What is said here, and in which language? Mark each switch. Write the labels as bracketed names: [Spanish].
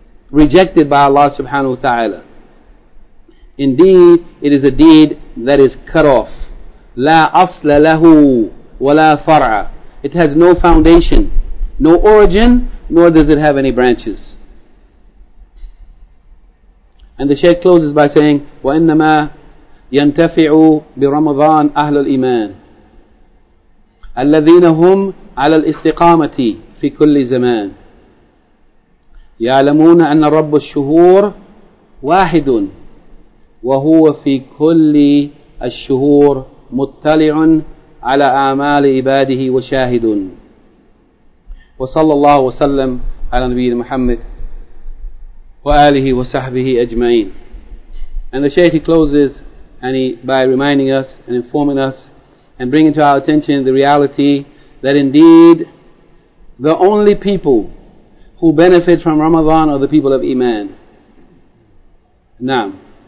[English] Rejected by Allah subhanahu wa ta'ala. Indeed, it is a deed that is cut off. [Arabic] لَا أَصْلَ لَهُ وَلَا فَرْعَ. [English] It has no foundation, no origin, nor does it have any branches. And the Shaykh closes by saying, [Arabic] وَإِنَّمَا يَنْتَفِعُ بِرَمَضَانِ أَهْلُ الْإِيمَانِ الَّذِينَ هُمْ عَلَى الْإِسْتِقَامَةِ فِي كُلِّ زَمَانِ يَعْلَمُونَ أَنَّ رَبُّ الشُّهُورِ وَاحِدٌ وَهُوَ فِي كُلِّ الشُّهُورِ مُطَّلِعٌ عَلَىٰ أَعْمَالِ عِبَادِهِ وَشَاهِدٌ وَصَلَّى اللَّهُ وَسَلَّمْ عَلَىٰ نَبِيِّنَ مُحَمِّدٍ وَآلِهِ وَسَحْبِهِ أَجْمَعِينَ. [English] And the Shaykh, he closes and he, by reminding us and informing us and bringing to our attention the reality that indeed the only people who benefit from Ramadan are the people of Iman. Naam.